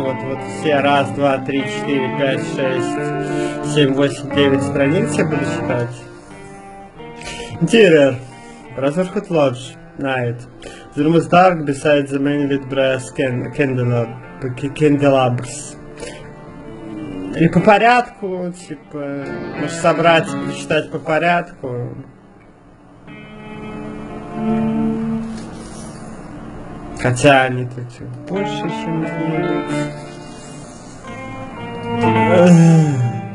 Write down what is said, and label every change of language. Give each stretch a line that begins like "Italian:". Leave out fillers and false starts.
Russian: Вот все раз, два, три, четыре, пять, шесть, семь, восемь, девять страниц я буду считать?
English: Interior. Brotherhood Lodge. Night. The room is dark beside the many lit brass candelabras.
Russian: И по порядку, типа, можешь собрать и прочитать по порядку. Хотя они тут больше, чем где-нибудь.